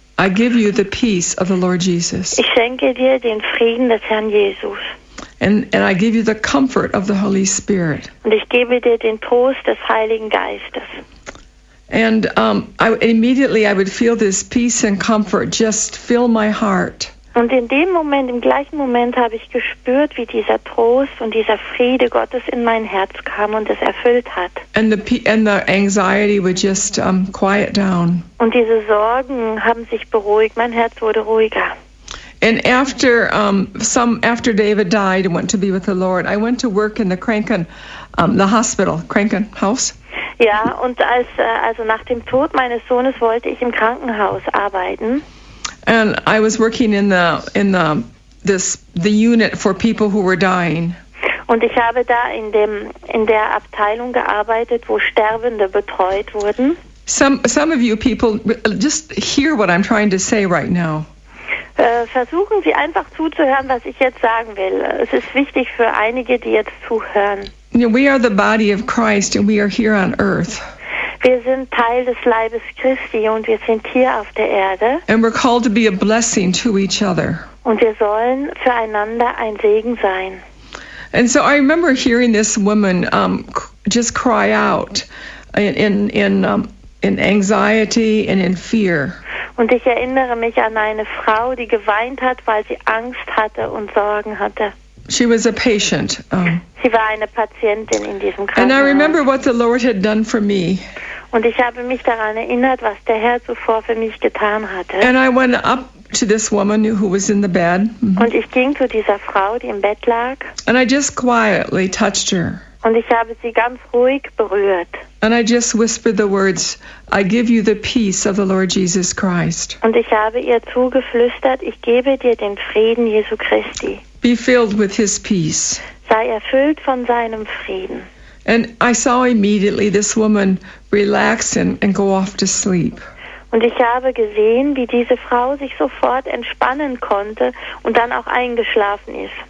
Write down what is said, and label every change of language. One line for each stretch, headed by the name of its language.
English: I give you the peace of the Lord Jesus.
German: Ich schenke dir den Frieden des Herrn Jesus.
English: And I give you the comfort of the Holy Spirit.
German: Und ich gebe dir den Trost des Heiligen Geistes.
English: And I immediately would feel this peace and comfort just fill my heart.
German: Und in dem Moment, im gleichen Moment, habe ich gespürt, wie dieser Trost und dieser Friede Gottes in mein Herz kam und es erfüllt hat.
English: And the anxiety would just quiet down.
German: Und diese Sorgen haben sich beruhigt. Mein Herz wurde ruhiger.
English: And after after David died and went to be with the Lord, I went to work in the
German: Kranken,
English: the hospital, Kranken House.
German: Ja, und also nach dem Tod meines Sohnes wollte ich im Krankenhaus arbeiten.
English: And I was working in the unit for people who were dying.
German: Und ich habe da in der Abteilung gearbeitet, wo Sterbende betreut wurden.
English: Some of you people, just hear what I'm trying to say right now.
German: Versuchen Sie einfach zuzuhören, was ich jetzt sagen will. Es ist wichtig für einige, die jetzt zuhören.
English: We are the body of Christ and we are here on earth.
German: Wir sind Teil des Leibes Christi und wir sind hier auf der Erde.
English: And we're called to be a blessing to each other.
German: Und wir sollen füreinander ein Segen sein.
English: And so I remember hearing this woman just cry out in anxiety and in fear.
German: Und ich erinnere mich an eine Frau, die geweint hat, weil sie Angst hatte und Sorgen hatte.
English: She was a patient.
German: Sie war eine Patientin in diesem Krankenhaus.
English: And I remember what the Lord had done for me.
German: Und ich habe mich daran erinnert, was der Herr zuvor für mich getan hatte.
English: And I went up to this woman who was in the bed.
German: Und ich ging zu dieser Frau, die im Bett lag.
English: And I just quietly touched her.
German: Und ich habe sie ganz ruhig berührt.
English: And I just whispered the words, I give you the peace of the Lord Jesus Christ.
German: Und ich habe ihr zugeflüstert, ich gebe dir den Frieden Jesu Christi.
English: Be filled with his peace.
German: Sei erfüllt von seinem Frieden.
English: And I saw immediately this woman relax and go off to sleep.
German: Und ich habe gesehen, wie diese Frau sich sofort entspannen konnte und dann auch eingeschlafen ist.